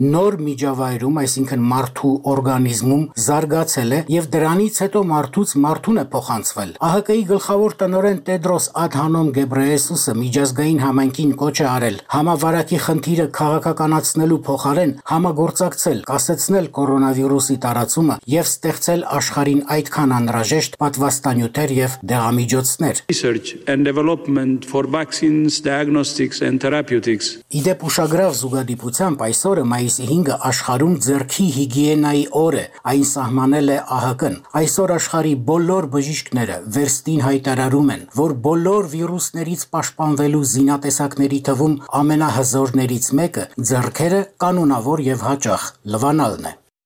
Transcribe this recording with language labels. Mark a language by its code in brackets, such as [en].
[hy] նոր միջավայրում, այսինքն մարդու օրգանիզմում զարգացել է եւ դրանից հետո մարդուց մարդուն է փոխանցվել։ ԱՀԿ-ի գլխավոր տնօրեն Տեդրոս Ադհանոմ Գեբրեյեսուսը միջազգային համայնքին կոչ է արել համավարակի խնդիրը քաղաքականացնելու փոխարեն համագործակցել, կասեցնել կորոնավիրուսի տարածումը եւ ստեղծել աշխարհին այդքան անհրաժեշտ պատվաստանյութեր եւ դեղամիջոցներ։ [en] Research and development for vaccines, diagnostics and therapeutics. [hy] Ուշագրավ զուգադիպությամբ այսօրը մայիսի 5-ը աշխարհում ձեռքի հիգիենայի օր է, այն սահմանել է ԱՀԿ-ն։ Այսօր աշխարհի բոլոր բժիշկները վերստին հայտարարում են, որ բոլոր վիրուսներից պաշտպանվելու զինատեսակների թվում ամենահզորներից մեկը ձեռքերը կանոնավոր եւ հաճախ լվանալն է։